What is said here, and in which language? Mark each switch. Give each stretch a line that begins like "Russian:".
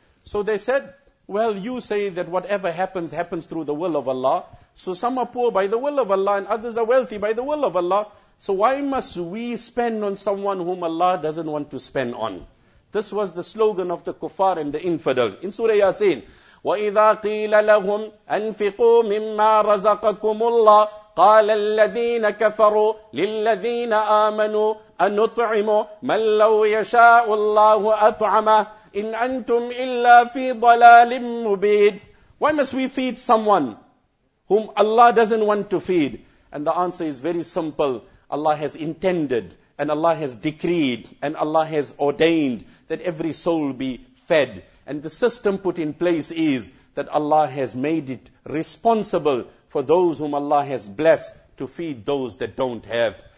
English: So they said, well, you say that whatever happens, happens through the will of Allah. So some are poor by the will of Allah and others are wealthy by the will of Allah. So why must we spend on someone whom Allah doesn't want to spend on? This was the slogan of the kuffar and the infidel. In Surah Yasin,
Arabic: وَإِذَا قِيلَ لَهُمْ أَنْفِقُوا مِمَّا رَزَقَكُمُ اللَّهُ قَالَ الَّذِينَ كَفَرُوا لِلَّذِينَ آمَنُوا أَنُطْعِمُوا مَنْ لَوْ يَشَاءُ اللَّهُ أَطْعَمَهُ إِنْ أَنْتُمْ إِلَّا فِي ضَلَالٍ مُبِينٍ.
English: Why must we feed someone whom Allah doesn't want to feed? And the answer is very simple. Allah has intended and Allah has decreed and Allah has ordained that every soul be fed. And the system put in place is that Allah has made it responsible for those whom Allah has blessed to feed those that don't have.